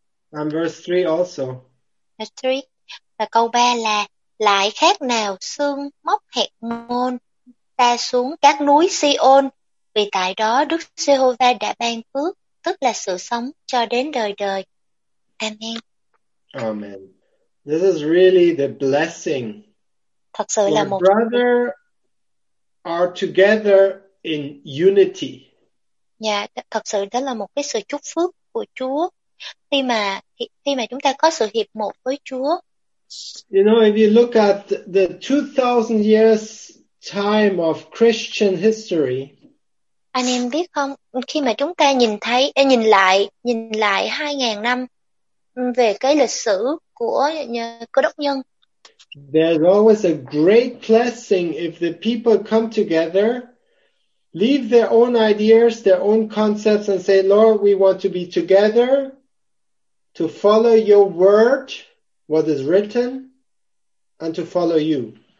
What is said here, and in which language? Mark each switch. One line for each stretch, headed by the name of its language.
English: And verse 3 also. Verse 3.
Vietnamese: Và câu 3 là lại khác nào xương móc hẹt môn ta xuống các núi Siôn, vì tại đó Đức Giê-hô-va đã ban phước, tức là sự sống cho đến đời đời.
English: Amen. Amen. This is really the blessing.
Vietnamese: Thật sự là một
English: brother are together in unity.
Vietnamese: Thật sự đó là một cái sự chúc phước của Chúa khi mà chúng ta có sự hiệp một với Chúa.
English: You know, if you look at the 2000 years time of Christian history.
Vietnamese: Anh em biết không, khi mà chúng ta nhìn lại 2000 năm về cái lịch sử của Cơ Đốc nhân.
English: There's always a great blessing if the people come together, leave their own ideas, their own concepts and say, "Lord, we want to be together to follow your word." What is written and to follow you.